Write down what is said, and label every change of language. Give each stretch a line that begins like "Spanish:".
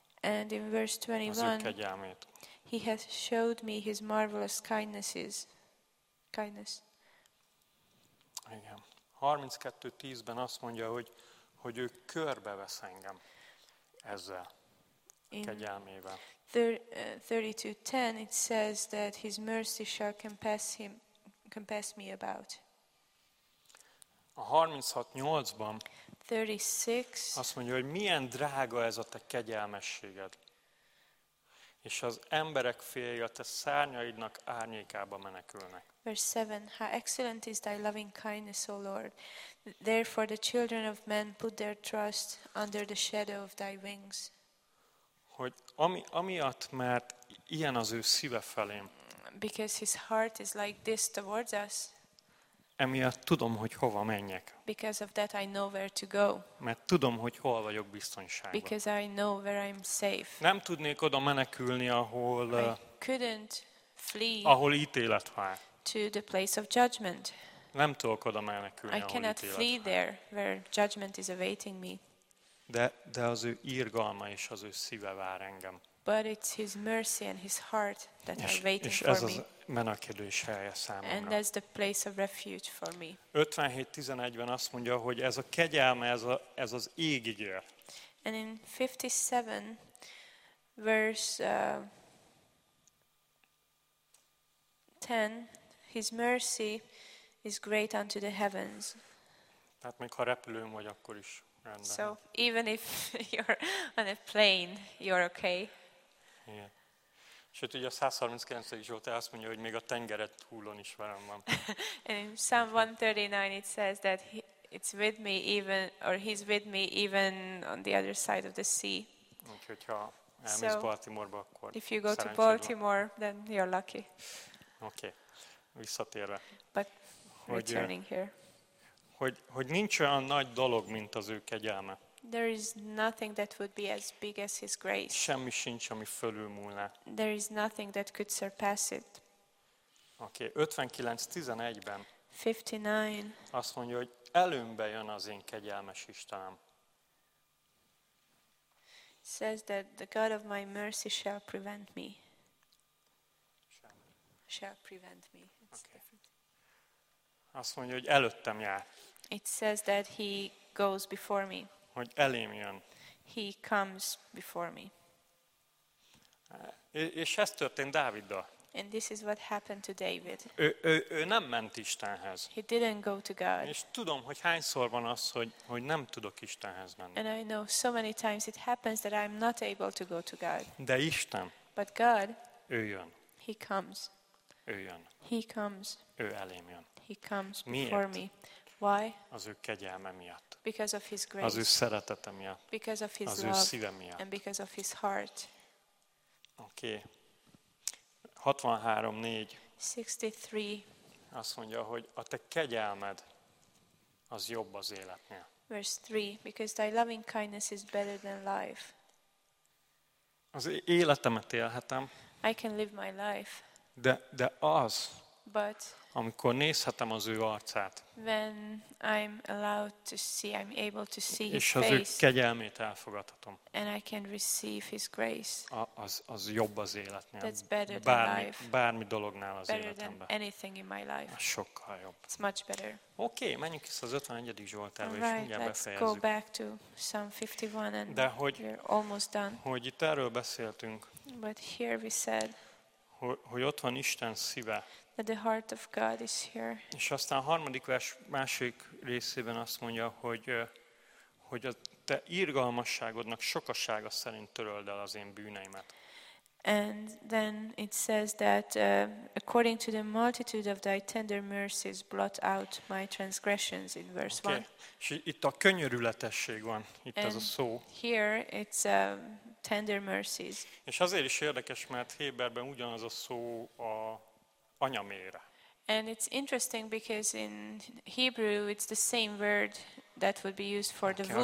English: And in verse 21.
Hungarian: Az ő kegyelmét.
English: He has showed me his marvelous kindnesses. Kindness.
Hungarian: Igen. 32:10-ben azt mondja, hogy ő körbevesz engem ezzel. Kegyelmével.
English: 32:10 it says that his mercy shall compass me about.
Hungarian: A 36:8-ban 36 azt mondja, hogy milyen drága ez a te kegyelmességed. És az emberek féljé a te szárnyaidnak árnyékába menekülnek.
English: Verse 7. How excellent is thy loving kindness, O Lord. Therefore the children of men put their trust under the shadow of thy wings.
Hungarian: Hogy amiatt, mert ilyen az ő szíve felém.
English: Because his heart is like this towards us.
Hungarian: Emiatt tudom, hogy hova menjek.
English: Because of that I know where to go.
Hungarian: Mert tudom, hogy hol vagyok biztonságban.
English: Because I know where I'm safe.
Hungarian: Nem tudnék oda menekülni, ahol
English: I couldn't flee.
Hungarian: Ahol ítélet vár.
English: To the place of judgment.
Hungarian: Nem tudok oda menekülni,
English: I cannot flee there where judgment is awaiting me.
Hungarian: De az ő irgalma és az ő szíve vár engem.
English: But it's his mercy and his heart that are waiting for me.
Hungarian: És ez az menekülés helye számomra.
English: And that's the place of refuge for me.
Hungarian: 57:11-ben azt mondja, hogy ez a kegyelme, ez az égig ér.
English: And in 57 verse 10 his mercy is great unto the heavens.
Hungarian: Tehát még ha repülőn vagy, akkor is rendben.
English: So even if you're on a plane, you're okay.
Hungarian: Igen. Sőt, ugye a 139. Zsoltár azt mondja, hogy még a tengeret hullon is velem van.
English: Psalm 139, it says that it's with me even, or he's with me even on the other side of the sea.
Hungarian: Úgyhogy, ha elmész Baltimore-ba, akkor
English: if you go to Baltimore, then you're lucky.
Hungarian: Okay. Visszatérve.
English: But returning here.
Hungarian: Hogy nincs olyan nagy dolog, mint az ő kegyelme.
English: There is nothing that would be as big as his grace.
Hungarian: Semmi sincs, ami fölülmúlna.
English: There is nothing that could surpass it.
Hungarian: Oké, 59:11-ben. 59. Azt mondja, hogy előmbe jön az én kegyelmes Istenem.
English: It says that the God of my mercy shall prevent me. Shall prevent me. Okay.
Hungarian: Azt mondja, hogy előttem jár.
English: It says that he goes before me.
Hungarian: Hogy elém jön.
English: He comes before me.
Hungarian: És ez történt Dáviddal.
English: And this is what happened to David.
Hungarian: Ő nem ment Istenhez.
English: He didn't go to God.
Hungarian: És tudom, hogy hányszor van az, hogy nem tudok Istenhez menni.
English: And I know so many times it happens that I'm not able to go to God.
Hungarian: De Isten.
English: But God.
Hungarian: Ő jön.
English: He comes.
Hungarian: Ő jön.
English: He comes.
Hungarian: Ő elém jön.
English: He comes
Hungarian: Miért?
English: Before me. Why?
Hungarian: Az ő kegyelme miatt.
English: Because of his grace.
Hungarian: Az ő szeretete miatt.
English: Because of his
Hungarian: az
English: love.
Hungarian: Az ő szíve miatt.
English: And because of his heart.
Hungarian: Oké. 63:4. 63. Azt mondja, hogy a te kegyelmed az jobb az életnél.
English: Verse 3. Because thy loving kindness is better than life.
Hungarian: Az életemet élhetem.
English: I can live my life.
Hungarian: De az.
English: But.
Hungarian: Amikor nézhetem az ő arcát.
English: When I'm allowed to see, I'm able to see his face.
Hungarian: És az ő kegyelmét elfogadhatom.
English: And I can receive his grace.
Hungarian: Az jobb az életnél.
English: That's better than life.
Hungarian: Bármi dolognál az
English: better
Hungarian: életemben.
English: Better than anything in my life.
Hungarian: Az sokkal jobb.
English: It's much better.
Hungarian: Okay, menjünk vissza az 51. Zsoltárba, és mindjárt befejezzük.
English: Let's go back to Psalm 51 and
Hungarian: de hogy,
English: we're almost done.
Hungarian: Hogy itt erről beszéltünk.
English: But here we said.
Hungarian: Hogy ott van Isten szíve.
English: That the heart of God is here.
Hungarian: És aztán a harmadik vers másik részében azt mondja, hogy a te irgalmasságodnak sokasága szerint töröld el az én bűneimet.
English: And then it says that according to the multitude of thy tender mercies blot out my transgressions in verse 1.
Hungarian: És itt a könyörületesség van, itt
English: and
Hungarian: ez a szó.
English: Here it's tender mercies.
Hungarian: És azért is érdekes, mert Héberben ugyanaz a szó a anyamére.
English: And it's interesting because in Hebrew it's the same word that would be used for the womb.